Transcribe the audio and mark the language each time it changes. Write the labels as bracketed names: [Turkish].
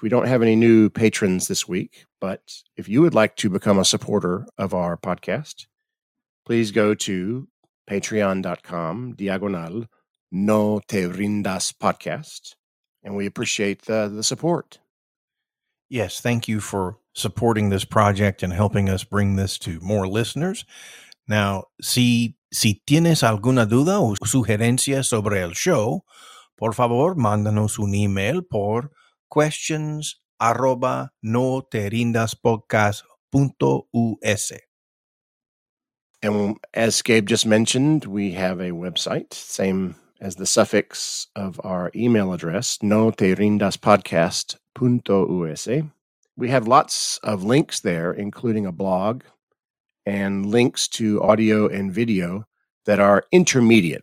[English] We don't have any new patrons this week, but if you would like to become a supporter of our podcast, please go to patreon.com/no te rindas podcast. And we appreciate the support. Yes. Thank you for supporting this project and helping us bring this to more listeners. Now, [Spanish] si tienes alguna duda o sugerencia sobre el show, por favor, mándanos un email por questions@noterindaspodcast.us. [English] And as Gabe just mentioned, we have a website, same as the suffix of our email address, noterindaspodcast.us. We have lots of links there, including a blog and links to audio and video that are intermediate.